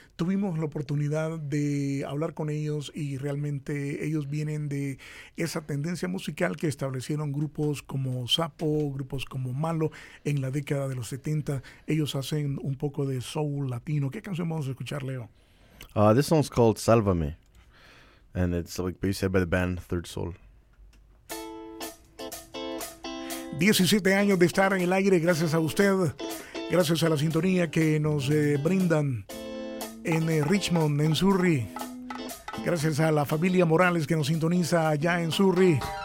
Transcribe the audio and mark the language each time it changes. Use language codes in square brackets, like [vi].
[es] Tuvimos la oportunidad de hablar con ellos y realmente ellos vienen de esa tendencia musical que establecieron grupos como Sapo, grupos como Malo en la década de los 70. Ellos hacen un poco de soul latino. ¿Qué canción vamos a escuchar, Leo? [en] This song's called Sálvame. And it's like you said by the band Third Soul. [es] 17 años de estar en el aire, gracias a usted, gracias a la sintonía que nos brindan en Richmond, en Surrey. Gracias a la familia Morales que nos sintoniza allá en Surrey.